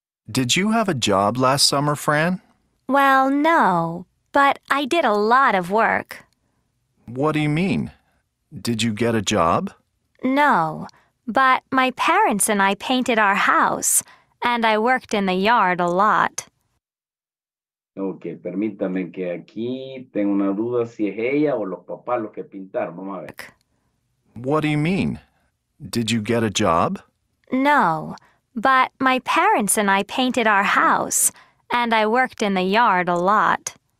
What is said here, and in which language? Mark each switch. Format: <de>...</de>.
<en>Did you have a job last summer, Fran? Well, no, but I did a lot of work. What do you mean? Did you get a job? No, but my parents and I painted our house, and I worked in the yard a lot.</en> <es>Okay, permítame que aquí tengo una duda si es ella o los papás los que pintaron. Vamos a ver.</es> <en>What do you mean? Did you get a job? No, but my parents and I painted our house, and I worked in the yard a lot.</en>